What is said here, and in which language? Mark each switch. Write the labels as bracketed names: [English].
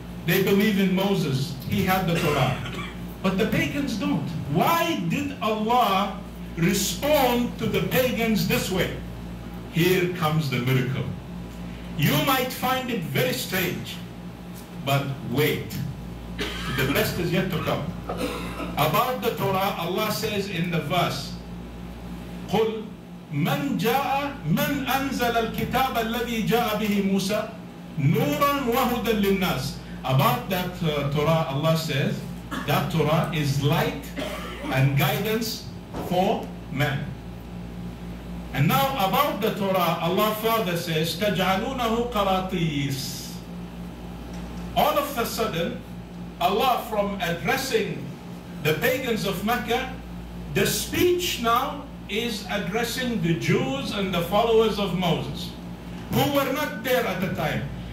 [English] They believe in Moses. He had the Torah. But the pagans don't. Why did Allah respond to the pagans this way? Here comes the miracle. You might find it very strange, but wait. The best is yet to come. About the Torah, Allah says in the verse, [Arabic] قُلْ مَنْ جَاءَ مَنْ أَنْزَلَ الْكِتَابَ الَّذِي جَاءَ بِهِ مُوسَى نُورًا وَهُدًى لِلنَّاسِ. [English] About that Torah, Allah says, that Torah is light and guidance for men. And now about the Torah, Allah further says, [Arabic] تَجْعَلُونَهُ قَرَاطِيسَ. [English] All of a sudden, Allah, from addressing the pagans of Mecca, the speech now is addressing the Jews and the followers of Moses, who were not there at the time.